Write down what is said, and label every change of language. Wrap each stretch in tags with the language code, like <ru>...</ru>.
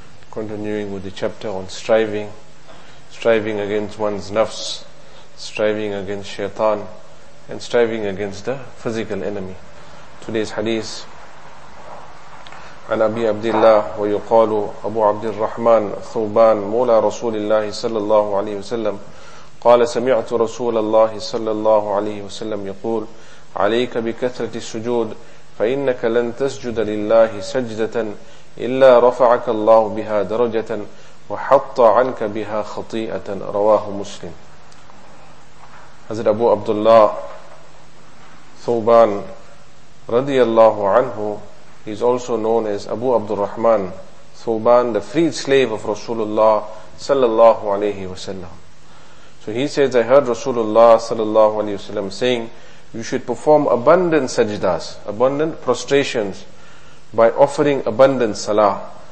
<en>Continuing with the chapter on striving, striving against one's nafs, striving against shaitan, and striving against the physical enemy. Today's hadith,</en> <ar>عن أبي عبد الله ويقال أبو عبد الرحمن ثوبان مولى رسول الله صلى الله عليه وسلم قال سمعت رسول الله صلى الله عليه وسلم يقول عليك بكثرة السجود فإنك لن تسجد لله سجدة إلا رفعك الله بها درجة وحط عنك بها خطيئة رواه مسلم.</ar> <en>حضرت أبو عبد الله ثوبان رضي الله عنه, he is also known as Abu Abdurrahman Thuban, the freed slave of Rasulullah sallallahu alayhi wa sallam. So he says, I heard Rasulullah sallallahu alayhi wa sallam saying, you should perform abundant sajdas, abundant prostrations, by offering abundant salah.</en>